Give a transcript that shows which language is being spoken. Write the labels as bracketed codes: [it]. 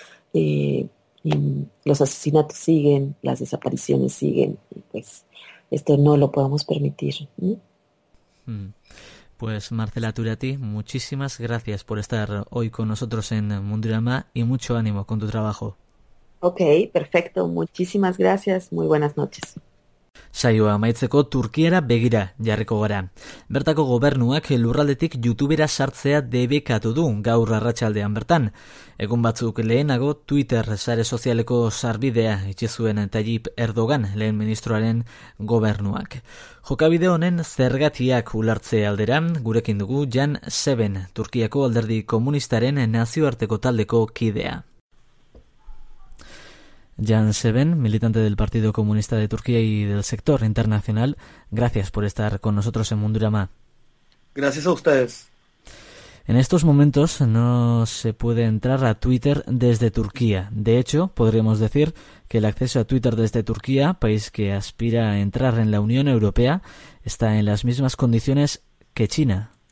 [es] Y los asesinatos siguen, las desapariciones siguen, y pues esto no lo podemos permitir. Pues Marcela Turati, muchísimas gracias por estar hoy con nosotros en Mundurama y mucho ánimo con tu trabajo. Ok, perfecto, muchísimas gracias, muy buenas noches. [eu] Saioa amaitzeko Turkiara begira jarriko gara. Bertako gobernuak lurraldetik YouTubera sartzea debekatu du gaur arratsaldean bertan. Egun batzuk lehenago Twitter sare sozialeko sarbidea itxi zuen Tayyip Erdogan lehen ministroaren gobernuak. Jokabide honen zergatiak ulertze aldera, gurekin dugu Jan Seven, Turkiako alderdi komunistaren nazioarteko taldeko kidea. [es] Jan Seven, militante del Partido Comunista de Turquía y del sector internacional, gracias por estar con nosotros en Mundurama. Gracias a ustedes. En estos momentos no se puede entrar a Twitter desde Turquía. De hecho, podríamos decir que el acceso a Twitter desde Turquía, país que aspira a entrar en la Unión Europea, está en las mismas condiciones que China.